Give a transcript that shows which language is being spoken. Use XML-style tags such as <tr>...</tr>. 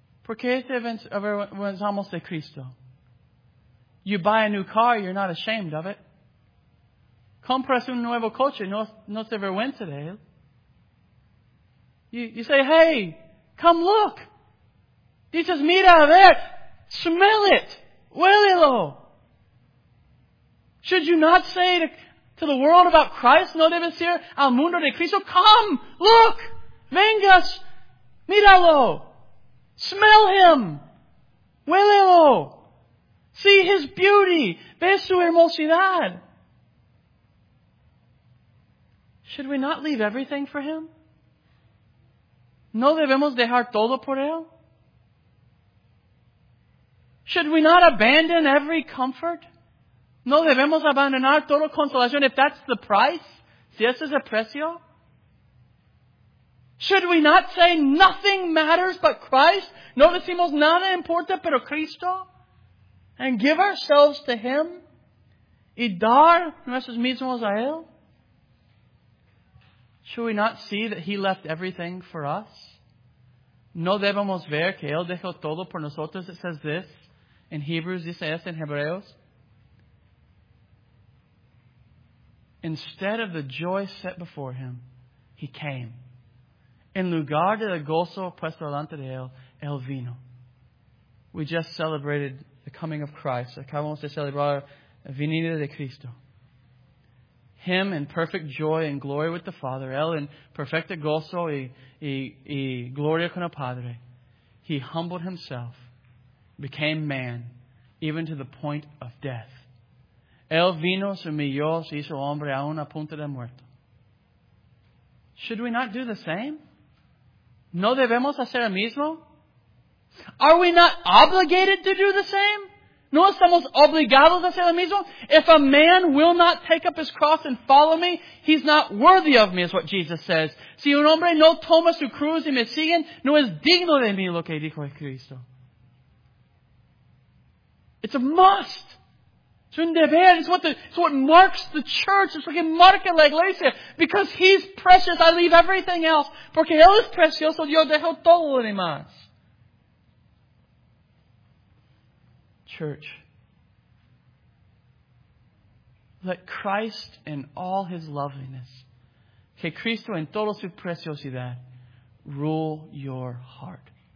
<es>¿Por qué avergonzamos de Cristo?</es> <en>You buy a new car, you're not ashamed of it.</en> <es>Compras un nuevo coche, no te avergüenza de él.</es> <en>You say, hey, come look.</en> <es>Dices, mira, a ver,</es> <en>smell it,</en> <es>huélelo.</es> <en>Should you not say to the world about Christ,</en> <es>no debes decir al mundo de Cristo,</es> <en>come, look,</en> <es>vengas, míralo.</es> <en>Smell Him.</en> <es>Huélelo.</es> <en>See His beauty.</en> <es>Ve su hermosidad.</es> <en>Should we not leave everything for Him?</en> <es>¿No debemos dejar todo por Él?</es> <en>Should we not abandon every comfort?</en> <es>¿No debemos abandonar toda consolación</es> <en>if that's the price?</en> <es>Si ese es el precio.</es> <en>Should we not say nothing matters but Christ?</en> <es>No decimos nada importa pero Cristo?</es> <en>And give ourselves to Him?</en> <es>Y dar nuestros mismos a Él?</es> <en>Should we not see that He left everything for us?</en> <es>No debemos ver que Él dejó todo por nosotros.</es> <en>It says this in Hebrews,</en> <es>dice esto en Hebreos.</es> <en>Instead of the joy set before Him, He came.</en> <es>En lugar del gozo puesto delante de Él, Él vino.</es> <en>We just celebrated the coming of Christ.</en> <es>Acabamos de celebrar la venida de Cristo.</es> <en>Him in perfect joy and glory with the Father.</en> <es>Él en perfecto gozo y gloria con el Padre.</es> <en>He humbled Himself, became man, even to the point of death.</en> <es>Él vino, se humilló, se hizo hombre a una punta de muerte.</es> <en>Should we not do the same?</en> <es>¿No debemos hacer el mismo?</es> <en>Are we not obligated to do the same?</en> <es>¿No estamos obligados a hacer lo mismo?</es> <en>If a man will not take up his cross and follow me, he's not worthy of me, is what Jesus says.</en> <es>Si un hombre no toma su cruz y me sigue, no es digno de mí, lo que dijo Cristo.</es> <en>It's a must. It's</en> <es>un deber.</es> <en>It's what marks the church. It's what can mark</en> <es>la iglesia.</es> <en>Because he's precious, I leave everything else.</en> <es>Porque él es precioso, yo dejo todo lo demás.</es> <en>Church, let Christ in all His loveliness,</en> <es>que Cristo en toda su preciosidad,</es> <en>rule your heart.</en>